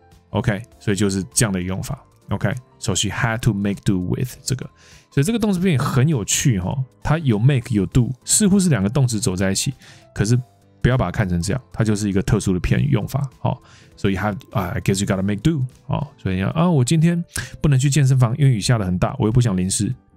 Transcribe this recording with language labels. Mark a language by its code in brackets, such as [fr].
[zh] OK， 所以就是这样的用法。 [en] OK， so she had to make do with [zh] 这个。所以这个动词片语很有趣哈，它有 make 有 do， 似乎是两个动词走在一起，可是不要把它看成这样，它就是一个特殊的片语用法。好，所以 [en] I guess you gotta make do。 [zh] 好，所以我今天不能去健身房，因为雨下的很大，我又不想淋湿。